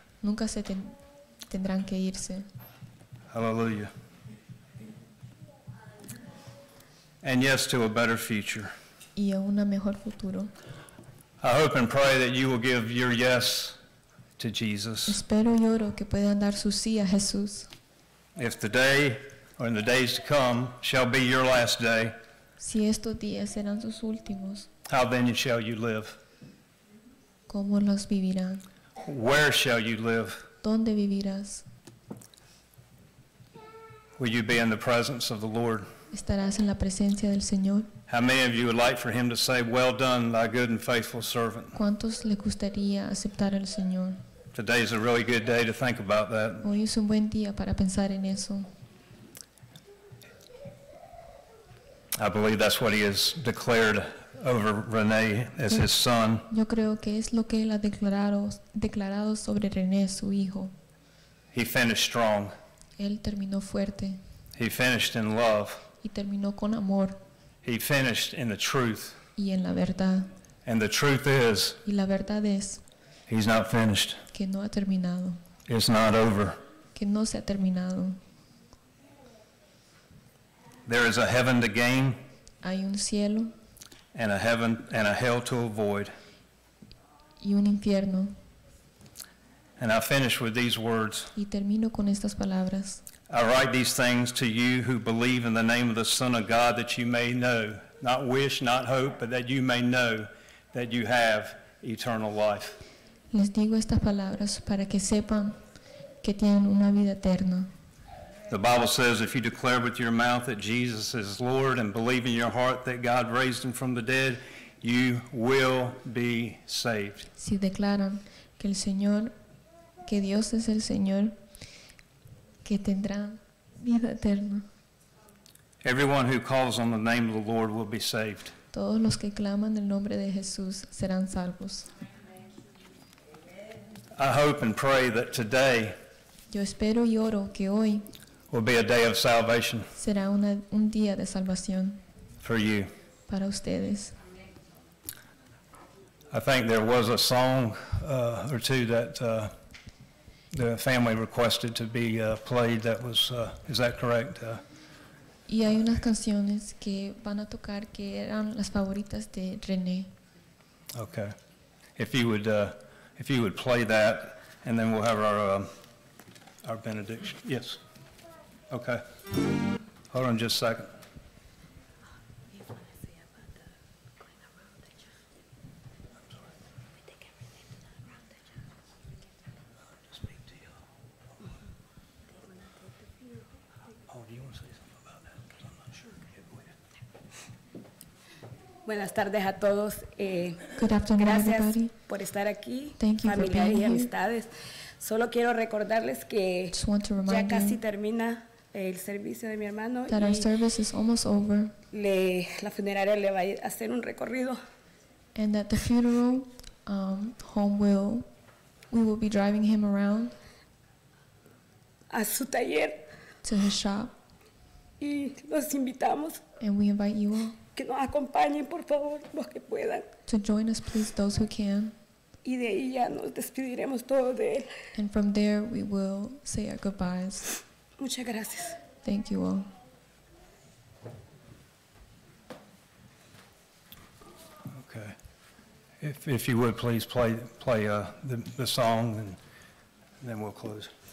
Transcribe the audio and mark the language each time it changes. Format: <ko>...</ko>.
<es>Nunca se tendrán que irse.</es> <en>Hallelujah. And yes, to a better future.</en> <es>Y a una mejor futuro.</es> <en>I hope and pray that you will give your yes to Jesus.</en> <es>Espero y oro que puedan dar su sí a Jesús.</es> <en>If the day or in the days to come shall be your last day,</en> <es>si estos días serán sus últimos,</es> <en>how then shall you live?</en> <es>¿Cómo los vivirán?</es> <en>Where shall you live?</en> <es>¿Dónde vivirás?</es> <en>Will you be in the presence of the Lord?</en> <es>¿Estarás en la presencia del Señor?</es> <en>How many of you would like for him to say, "Well done, thy good and faithful servant"?</en> <es>¿Cuántos le gustaría aceptar al Señor?</es> <en>Today is a really good day to think about that.</en> <es>Hoy es un buen día para pensar en eso.</es> <en>I believe that's what he has declared over René as his son.</en> <es>Yo creo que es lo que él ha declarado sobre René, su hijo.</es> <en>He finished strong.</en> <es>Él terminó fuerte.</es> <en>He finished in love.</en> <es>Y terminó con amor.</es> <en>He finished in the truth.</en> <es>Y en la verdad.</es> <en>And the truth is,</en> <es>y la verdad es,</es> <en>he's not finished.</en> <es>Que no ha terminado.</es> <en>It's not over.</en> <es>Que no se ha terminado.</es> <en>There is a heaven to gain.</en> <es>Hay un cielo.</es> <en>And a heaven and a hell to avoid.</en> <es>Y un infierno.</es> <en>And I finish with these words.</en> <es>Y termino con estas palabras.</es> <en>I write these things to you who believe in the name of the Son of God, that you may know, not wish, not hope, but that you may know that you have eternal life.</en> <es>Les digo estas palabras para que sepan que tienen una vida eterna.</es> <en>The Bible says, if you declare with your mouth that Jesus is Lord and believe in your heart that God raised him from the dead, you will be saved.</en> <es>Si declaran que el Señor, que Dios es el Señor, que tendrán vida eterna.</es> <en>Everyone who calls on the name of the Lord will be saved.</en> <es>Todos los que claman el nombre de Jesús serán salvos.</es> <en>I hope and pray that today,</en> <es>yo espero y oro que hoy,</es> <en>will be a day of salvation.</en> <es>Será un día de salvación.</es> <en>For you.</en> <es>Para ustedes.</es> <en>I think there was a song or two that the family requested to be played. That was, is that correct?</en> <es>Y hay unas canciones que van a tocar que eran las favoritas de René.</es> <en>Okay. if you would play that, and then we'll have our benediction. Yes. Okay. Hold on just a second.</en> <es>Buenas tardes a todos.</es> <en>Good afternoon,</en> <es>gracias</es> <en>everybody.</en> <es>Por estar aquí,</es> <en>thank you</en> <es>familia</es> <en>for being</en> <es>y amistades.</es> <en>Here.</en> <es>Solo quiero recordarles que ya casi termina el servicio de mi hermano.</es> <en>That</en> <es>y</es> <en>our service is almost over.</en> <es>La funeraria le va a hacer un recorrido.</es> <en>And that the funeral home we will be driving him around.</en> <es>A su taller.</es> <en>To his shop.</en> <es>Y los invitamos.</es> <en>And we invite you all.</en> <es>Que nos acompañen, por favor, los que puedan.</es> <en>To join us, please, those who can.</en> <es>Y de ahí ya nos despediremos todos de él.</es> <en>And from there, we will say our goodbyes.</en> <es>Muchas gracias.</es> <en>Thank you all. Okay. If you would, please, play the song, and then we'll close.</en>